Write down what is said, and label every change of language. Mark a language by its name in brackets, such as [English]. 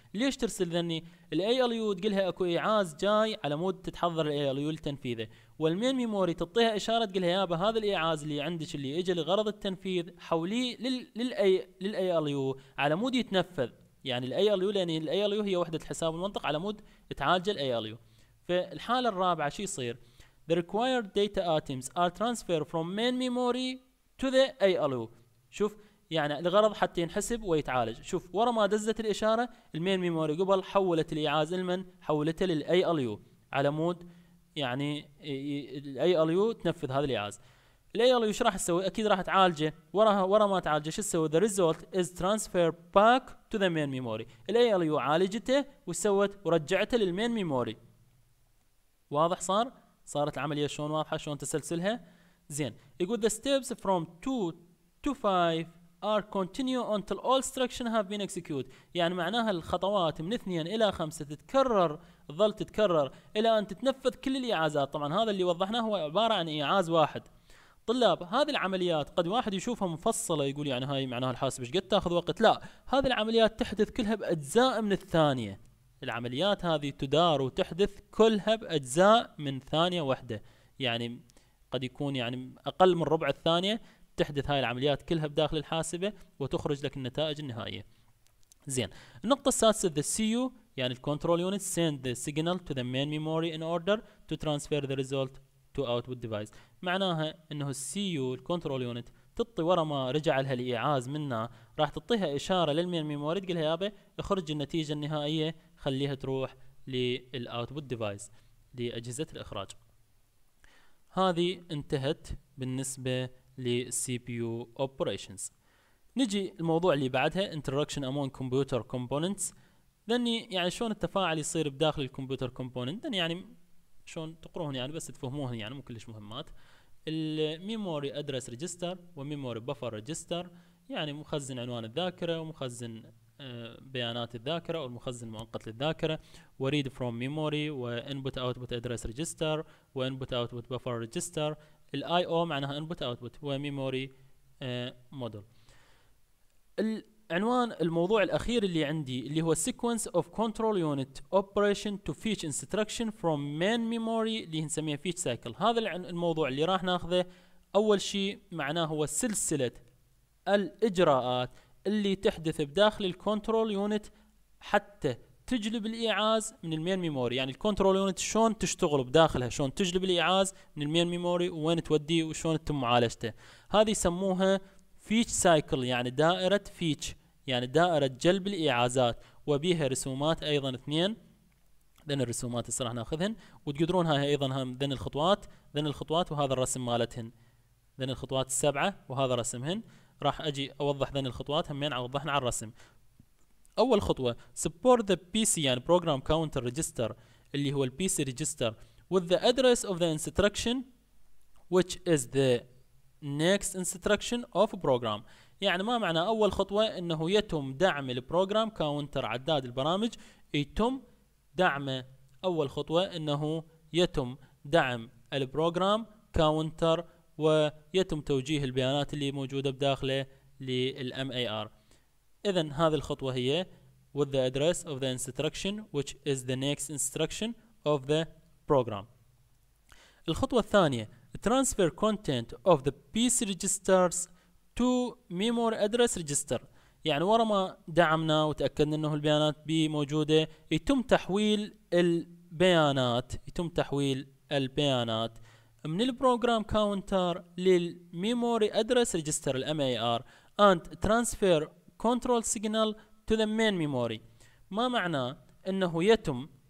[Arabic] ليش ترسل ذني؟ الاي ال يو تقلها اكو اعاز جاي على مود تتحضر الاي ال يو لتنفيذه، والمين ميموري تعطيها اشارة تقلها يابا هذا الاعاز اللي عندك اللي اجى لغرض التنفيذ حوليه للاي ال يو على مود يتنفذ. يعني الاي ال يو، لان الاي ال يو هي وحدة الحساب المنطق على مود تعالج الاي ال يو. فالحالة الرابعة شو يصير؟ [English] The required data items are transferred from main memory to the ALU. [Arabic] شوف يعني الغرض حتى ينحسب ويتعالج. شوف ورا ما دزت الإشارة المين ميموري قبل حولت الإعاز لمن؟ حولته للALU على مود يعني الALU تنفذ هذا الإعاز. الALU شو راح تسوي؟ أكيد راح تعالجه. ورا ما تعالجه شو تسوي؟ [English] The result is transferred back to the main memory. [Arabic] الALU عالجته وسوت ورجعته للمين ميموري. واضح صار؟ صارت العملية شلون واضحة شلون تسلسلها؟ زين. يقول [English] the steps from 2 to 5 are continue until all instructions have been executed. [Arabic] يعني معناها الخطوات من 2 إلى 5 تتكرر، ظل تتكرر إلى أن تتنفذ كل الإعازات. طبعا هذا اللي وضحناه هو عبارة عن إعاز واحد. طلاب هذه العمليات قد واحد يشوفها مفصلة يقول يعني هاي معناها الحاسب إيش قد تأخذ وقت؟ لا، هذه العمليات تحدث كلها بأجزاء من الثانية. العمليات هذه تدار وتحدث كلها بأجزاء من ثانية واحدة، يعني قد يكون يعني أقل من ربع الثانية تحدث هاي العمليات كلها بداخل الحاسبة وتخرج لك النتائج النهائية. زين. النقطة السادسة [English] the CU [Arabic] يعني [English] control unit send the signal to the main memory in order to transfer the result to output device. [Arabic] معناها إنه CU control unit تطي ورا ما رجع لها الإعاز منها راح تطيها إشارة للمين ميموري تقولها يابا اخرج النتيجة النهائية خليها تروح للأوتبوت ديفايس لأجهزة الإخراج. هذه انتهت بالنسبة للسي بي يو أوبريشنز. نجي الموضوع اللي بعدها [English] Interaction among computer components. [Arabic] ذني يعني شلون التفاعل يصير بداخل الكمبيوتر كومبوننت. ذني يعني شلون تقرون يعني بس تفهموهن يعني مو كلش مهمات. الميموري أدرس ريجستر وميموري بفر ريجستر يعني مخزن عنوان الذاكرة ومخزن بيانات الذاكرة أو المخزن المؤقت للذاكرة، وريد فروم ميموري وانبوت أوتبوت أدرس ريجستر وانبوت أوتبوت بفر ريجستر. الآي أو معناها انبوت أوتبوت وميموري مودل. العنوان الموضوع الأخير اللي عندي اللي هو [English] sequence of control unit operation to fetch instruction from main memory [Arabic] اللي هنسميها [English] fetch cycle. [Arabic] هذا الموضوع اللي راح ناخذه أول شيء معناه هو سلسلة الإجراءات اللي تحدث بداخل الكنترول يونت حتى تجلب الإعاز من المين ميموري. يعني الكنترول يونت شلون تشتغل بداخلها، شلون تجلب الإعاز من المين ميموري وين توديه وشلون تتم معالجته. هذه يسموها فيتش سايكل، يعني دائرة فيتش، يعني دائرة جلب الإعازات. وبيها رسومات أيضا اثنين ذن الرسومات الصراحة ناخذهن وتقدرونها أيضا هم ذن الخطوات، ذن الخطوات وهذا الرسم مالتهن، ذن الخطوات السبعة وهذا رسمهن. راح اجي اوضح ذني الخطوات همين اوضحنا على الرسم. اول خطوه [English] support the pc [Arabic] يعني [English] program counter register [Arabic] اللي هو [English] pc register with the address of the instruction which is the next instruction of program. [Arabic] يعني ما معنى اول خطوه انه يتم دعم البروجرام كاونتر عداد البرامج، يتم دعم اول خطوه انه يتم دعم البروجرام كاونتر ويتم توجيه البيانات اللي موجودة بداخله للـ MAR. إذن هذه الخطوة هي [English] with the address of the instruction which is the next instruction of the program. الخطوة الثانية transfer content of the PC registers to memory address register. [Arabic] يعني ورا ما دعمنا وتأكدنا أنه البيانات بي موجودة يتم تحويل البيانات، يتم تحويل البيانات من البروغرام كاونتر للميموري ادرس ريجستر الام اي ار [English] And transfer control signal to the main memory. [Arabic] ما معنى انه يتم